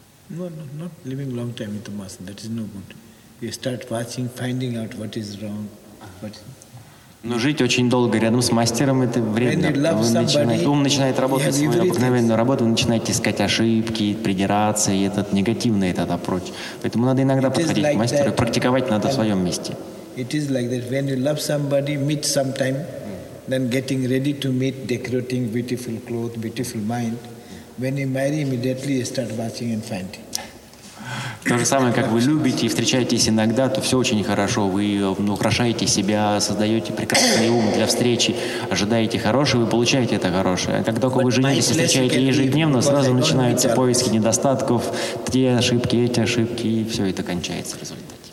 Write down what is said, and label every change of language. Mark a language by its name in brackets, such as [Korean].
[English] Not living long time with the master, that is no good. You start watching, finding out what is wrong. [Russian] Но жить очень долго рядом с мастером это вредно. Ум начинает работать свою обыкновенную работу, вы начинаете искать ошибки, придираться, и этот негативный этот approach. Поэтому надо иногда подходить к мастеру, практиковать надо в своем месте. [English] It is like that. When you love somebody, meet sometime, then getting ready to meet, decorating beautiful clothes, beautiful mind. When you marry, immediately you start watching and finding. [Russian] То же самое, как вы любите и встречаетесь иногда, то все очень хорошо. Вы украшаете себя, создаете прекрасный ум для встречи, ожидаете хорошего, вы получаете это хорошее. А как только вы женитесь и встречаете ежедневно, сразу начинаются поиски недостатков, те ошибки, эти ошибки, и все это кончается в результате.